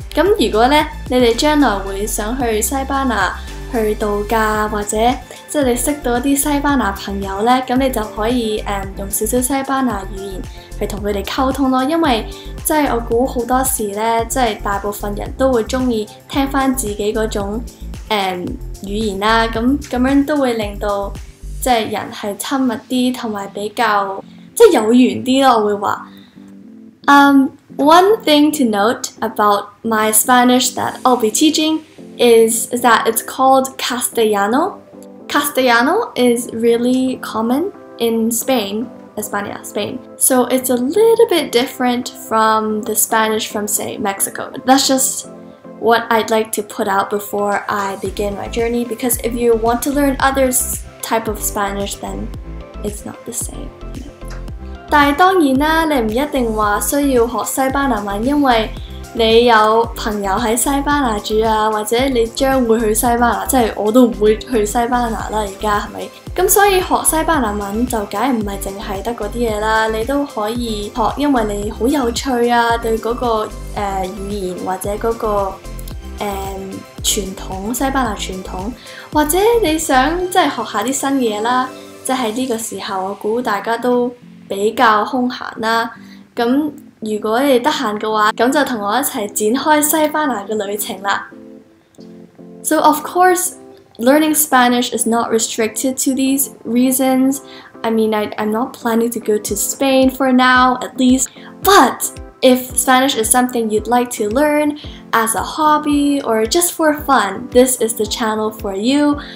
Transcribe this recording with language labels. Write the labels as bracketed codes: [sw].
[yue] 咁如果咧，你哋將來會想去西班牙去度假或者，即是你識到一些西班牙朋友呢，那你就可以用少少西班牙語言去跟他們溝通咯。因為即是我估很多時呢，即是大部分人都會喜歡聽回自己那種語言啦，那樣都會令到即是人是親密一點，還有比較即是有緣一點，我會說。 [en] One thing to note about my Spanish that I'll be teaching is that it's called Castellano. Castellano is really common in Spain, España, Spain. So it's a little bit different from the Spanish from, say, Mexico. That's just what I'd like to put out before I begin my journey, because if you want to learn other type of Spanish, then it's not the same. You know? [yue] 但係當然啦，你唔一定話需要學西班牙文，因為你有朋友在西班牙住啊，或者你將會去西班牙，即係我都唔會去西班牙啦，而家係咪？咁所以學西班牙文就梗唔係淨係得嗰啲嘢啦，你都可以學，因為你好有趣啊，對嗰、那個語言或者嗰、那個傳統西班牙傳統，或者你想即係學一下啲新嘢啦，即係呢個時候我估大家都比較空閒啦，咁。如果你得閒嘅話，咁就同我一齊展開西班牙嘅旅程啦。 [en] So of course, learning Spanish is not restricted to these reasons. I mean, I'm not planning to go to Spain for now, at least. But if Spanish is something you'd like to learn as a hobby or just for fun, this is the channel for you.